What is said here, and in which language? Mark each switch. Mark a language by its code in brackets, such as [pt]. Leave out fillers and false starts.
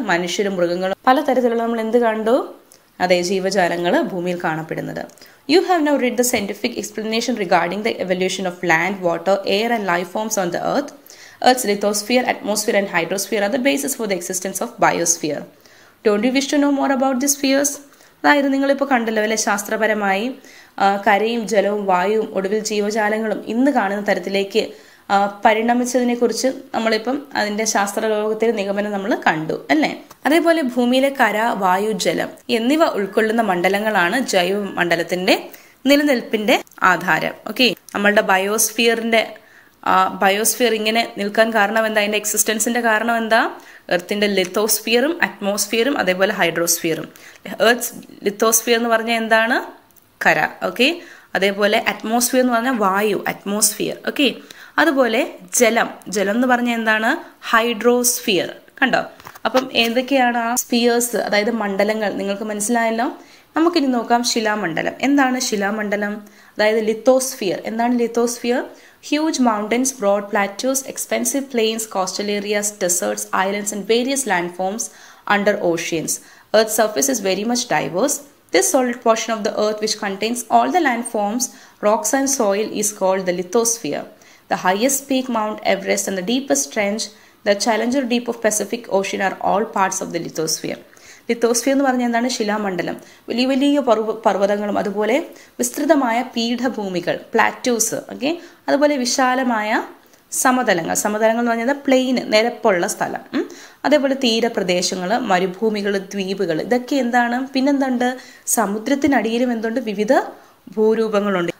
[ml] മനുഷ്യരും മൃഗങ്ങളും പലതരത്തിലുള്ള നമ്മൾ എന്ത് കണ്ടു? അതേ, ജീവജാലങ്ങൾ ഭൂമിയിൽ കാണപ്പെടുന്നത്. [en] You have now read the scientific explanation regarding the evolution of land, water, air and life forms on the earth. Earth's lithosphere, atmosphere and hydrosphere are the basis for the existence of biosphere. Don't you wish to know more about these spheres? [ml] അതായത് നിങ്ങളിപ്പോൾ കണ്ടല്ലോ അല്ലെ, ശാസ്ത്രപരമായി കരയും ജലവും വായുവും ഒടുവിൽ ജീവജാലങ്ങളും ഇന്ന് കാണുന്ന തരത്തിലേക്ക് പരിണമിച്ചതിനെ കുറിച്ച് നമ്മളിപ്പം അതിന്റെ ശാസ്ത്ര ലോകത്തിൽ നിഗമനം നമ്മൾ കണ്ടു അല്ലെ. അതേപോലെ ഭൂമിയിലെ കര, വായു, ജലം എന്നിവ ഉൾക്കൊള്ളുന്ന മണ്ഡലങ്ങളാണ് ജൈവ മണ്ഡലത്തിന്റെ നിലനിൽപ്പിന്റെ ആധാരം. ഓക്കെ, നമ്മളുടെ ബയോസ്ഫിയറിന്റെ ബയോസ്ഫിയർ ഇങ്ങനെ നിൽക്കാൻ കാരണം എന്താ, അതിന്റെ എക്സിസ്റ്റൻസിന്റെ കാരണം എന്താ, എർത്തിന്റെ ലിത്തോസ്ഫിയറും അറ്റ്മോസ്ഫിയറും അതേപോലെ ഹൈഡ്രോസ്ഫിയറും. എർത്ത്സ് ലിത്തോസ്ഫിയർ എന്ന് പറഞ്ഞാൽ എന്താണ്, കര. ഓക്കെ, അതേപോലെ അറ്റ്മോസ്ഫിയർ എന്ന് പറഞ്ഞാൽ വായു, അറ്റ്മോസ്ഫിയർ. ഓക്കെ, അതുപോലെ ജലം, ജലം എന്ന് പറഞ്ഞാൽ എന്താണ്, ഹൈഡ്രോസ്ഫിയർ. കണ്ടോ, അപ്പം ഏതൊക്കെയാണ് ആ സ്ഫിയേഴ്സ്, അതായത് മണ്ഡലങ്ങൾ നിങ്ങൾക്ക് മനസ്സിലായല്ലോ. നമുക്കിനി നോക്കാം ശിലാമണ്ഡലം. എന്താണ് ശിലാമണ്ഡലം, അതായത് ലിത്തോസ്ഫിയർ. എന്താണ് lithosphere? [en] Huge mountains, broad plateaus, expensive plains, coastal areas, deserts, islands and various land forms under oceans. Earth surface is very much diverse. This solid portion of the earth which contains all the land forms, rocks and soil is called the lithosphere. The highest peak Mount Everest and the deepest trench, the Challenger Deep of Pacific Ocean are all parts of the lithosphere. [ml] Lithosphere എന്ന് പറഞ്ഞാൽ എന്താണ്, ശിലാമണ്ഡലം. വലിയ വലിയ പർവ്വതങ്ങളും അതുപോലെ വിസ്തൃതമായ പീഠഭൂമികൾ, പ്ലാറ്റൂസ്. Okay, അതുപോലെ വിശാലമായ സമതലങ്ങൾ, സമതലങ്ങൾ എന്ന് പറഞ്ഞാൽ പ്ലെയിൻ, നിരപ്പുള്ള സ്ഥലം. അതേപോലെ തീരപ്രദേശങ്ങൾ, മരുഭൂമികൾ, ദ്വീപുകൾ, ഇതൊക്കെ എന്താണ്, പിന്നെന്തുണ്ട്, സമുദ്രത്തിനടിയിലും എന്തുണ്ട്, വിവിധ ഭൂരൂപങ്ങളുണ്ട്.